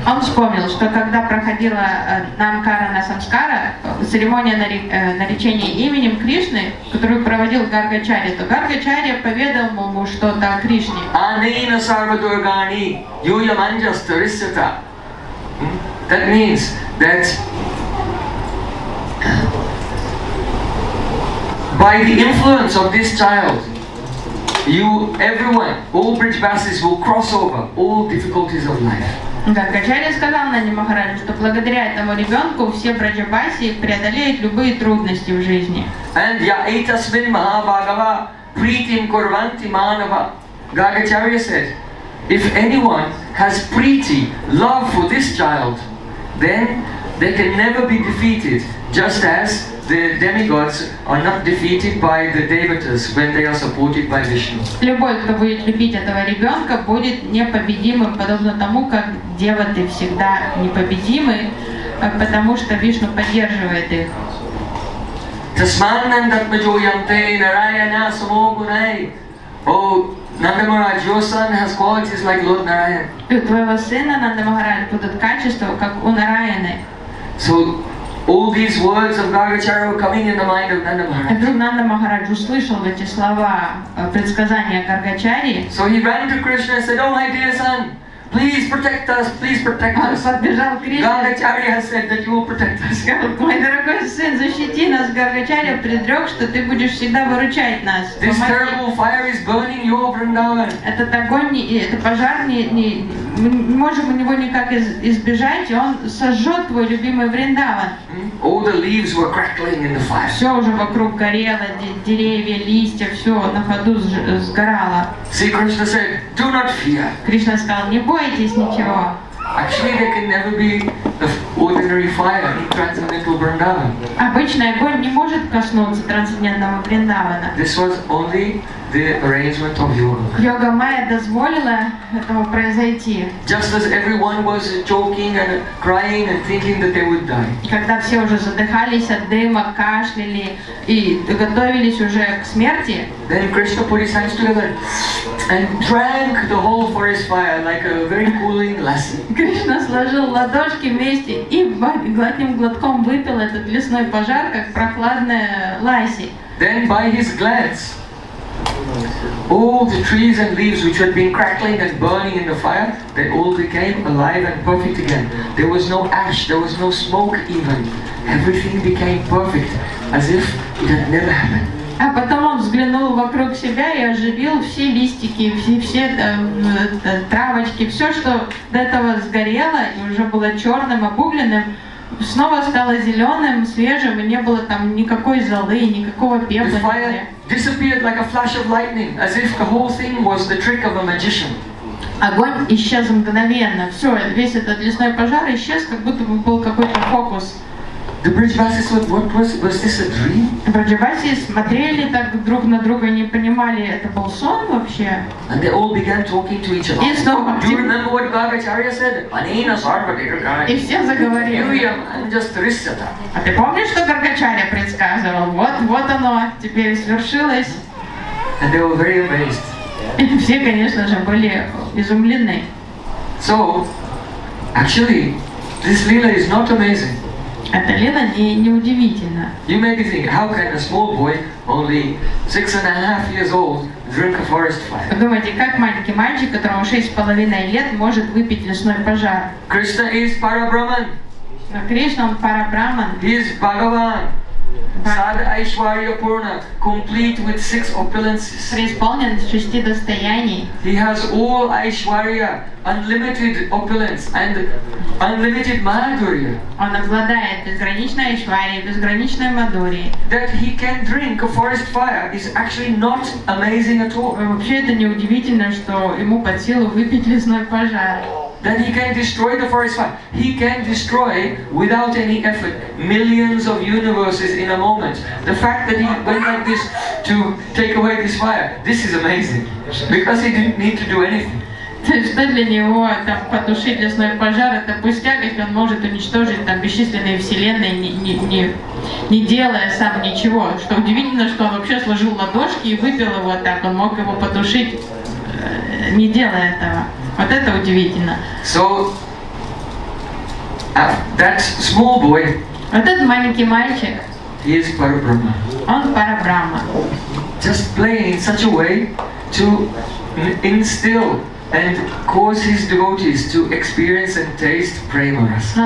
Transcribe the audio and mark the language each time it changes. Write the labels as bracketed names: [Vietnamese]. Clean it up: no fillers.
[Russian] он вспомнил, что когда проходила Намкарана Самскара, церемония наречения именем Кришны, которую проводил Гаргачарья, то Гаргачарья поведал ему что-то о Кришне. [Sanskrit] Анейна сарвадургани юйаманджас тарисята. [English] That means that by the influence of this child, you, everyone, all bridge passes will cross over all difficulties of life. [Russian] Гаргачарья сказал Нанде Махарадже, что благодаря этому ребенку все браджабаси преодолеют любые трудности в жизни. [Sanskrit] And ya etasmin mahabhagava pritim kurvanti manava. [English] Гаргачарья said, if anyone has priti, love for this child, then they can never be defeated, just as the demigods are not defeated by the devatas when they are supported by Vishnu. [Russian] Любой, кто будет любить этого ребенка, будет непобедимым, подобно тому, как деваты всегда непобедимы, потому что Вишну поддерживает их. Tas mannen, dat mit ojam tein, Narayan has a mogu nei. [English] Oh, Nandamaraj, your son has qualities like Lord Narayan. [Russian] И твоего сына, Нандамахарадж, будут качества, как у Нараяны. [English] So, all these words of Gargacharya were coming in the mind of Nandamaharaj. [Russian] Вдруг Нандамахарадж услышал эти слова, предсказания Гаргачарьи. [English] So he ran to Krishna and said, oh my dear son, please protect us, please protect us. [Russian] Он подбежал к Кришне. [English] Гаргачарья has said that you will protect us. [Russian] Мой дорогой сын, защити нас, Гаргачарья предрек, что ты будешь всегда выручать нас. [English] This terrible fire is burning your Vrindavan. [Russian] Этот огонь, это пожар, мы не можем у него никак избежать, и он сожжет твой любимый Вриндаван. [English] All the leaves were crackling in the fire. [Russian] Все уже вокруг горело, деревья, листья, все на ходу сгорало. [English] See, Krishna said, do not fear. [Russian] Кришна сказал, не бойтесь ничего. [English] Actually, there can never be the ordinary fire in transcendental Vrindavan. [Russian] Обычный огонь не может коснуться трансцендентного Вриндавана. [English] This was only the arrangement of yoga. [Russian] Йога Майя дозволила этому произойти. [English] Just as everyone was choking and crying and thinking that they would die. [Russian] Когда все уже задыхались от дыма, кашляли и готовились уже к смерти. [English] Then Krishna put his hands together and drank the whole forest fire like a very cooling lassi. [Russian] Кришна сложил ладошки вместе и одним глотком выпил этот лесной пожар, как прохладное ласси. [English] Then by his glance, all the trees and leaves which had been crackling and burning in the fire, they all became alive and perfect again. There was no ash, there was no smoke even. Everything became perfect, as if it had never happened. [Russian] А потом он взглянул вокруг себя и оживил все листики, все травочки, все, что до этого сгорело и уже было черным, обугленным, снова стало зеленым, свежим, и не было там никакой золы, никакого пепла. [English] Disappeared like a flash of lightning, as if the whole thing was the trick of a magician. [Russian] Огонь исчез мгновенно. Все, весь этот лесной пожар исчез, как будто бы был какой-то фокус. [English] The Brajavasis said, "What was this a dream?" [Russian] Брадживаси смотрели так друг на друга, не понимали, это был сон вообще. [English] And they all began talking to each other. [Russian] И снова. [English] Do you remember what Gargacharya said? [Sanskrit] Anena sarvadeva. [Russian] И все заговорили. [Sanskrit] Yuyam anjastrisyata. [Russian] А ты помнишь, что Гаргачарья предсказывал? Вот оно, теперь свершилось. [English] And they were very amazed. [Russian] И все, конечно же, были изумлены. [English] So, actually, this lila is not amazing. [Russian] Это лила не удивительно. [English] You may be thinking, how can a small boy, only 6.5 years old, drink a forest fire? [Russian] Подумайте, как маленький мальчик, которому 6.5 лет, может выпить лесной пожар? [English] Krishna is Parabrahman. [Russian] Но Кришна он Парабрахман. [English] He is Bhagavan. Sad Aishwarya Purna, complete with 6 opulences. [Russian] Преисполнен 6 достояний. [English] He has all Aishwarya, unlimited opulence and unlimited Madhurya. [Russian] Он обладает безграничной Aishwarya, безграничной Madhurya. [English] That he can drink a forest fire is actually not amazing at all. [Russian] Вообще это не удивительно, что ему под силу выпить лесной пожар. [English] That he can destroy the forest fire. He can destroy, without any effort, millions of universes in a moment. The fact that he went like this to take away this fire, this is amazing. Because he didn't need to do anything. [Russian] То есть, что для него там потушить лесной пожар, это пустяк, если он может уничтожить там бесчисленные вселенные, не делая сам ничего. Что удивительно, что он вообще сложил ладошки и выпил его так, он мог его потушить, не делая этого. Вот это удивительно. [English] So, that small boy. [Russian] Вот этот маленький мальчик. [English] He is Parabrahma. [Russian] Он Парабрахма. [English] Just playing in such a way to instill and cause his devotees to experience and taste prema rasa.